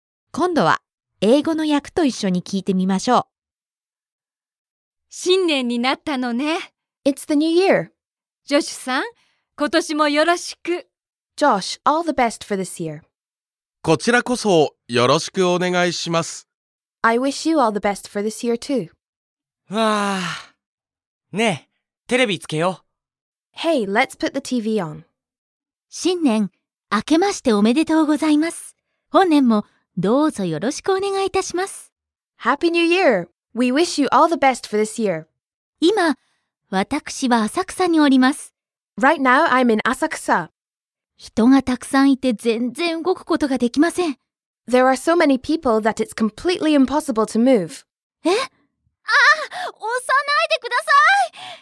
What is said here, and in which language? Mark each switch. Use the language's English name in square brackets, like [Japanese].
[Japanese] 今度は英語の訳と一緒に聞いてみましょう。新年になったのね。 [English] It's the new year. [Japanese] ジョシュさん、今年もよろしく。 [English] Josh, all the best for this year. [Japanese] こちらこそよろしくお願いします。 [English] I wish you all the best for this year too. [Japanese] わあ。ねえ、テレビつけよう。 [English] Hey, let's put the TV on. [Japanese] 新年。明けましておめでとうございます。本年もどうぞよろしくお願いいたします。 [English] Happy New Year! We wish you all the best for this year. [Japanese] 今、私は浅草におります。 [English] Right now, I'm in Asakusa. [Japanese] 人がたくさんいて全然動くことができません。 [English] There are so many people that it's completely impossible to move. [Japanese] え？ああ、押さないでください！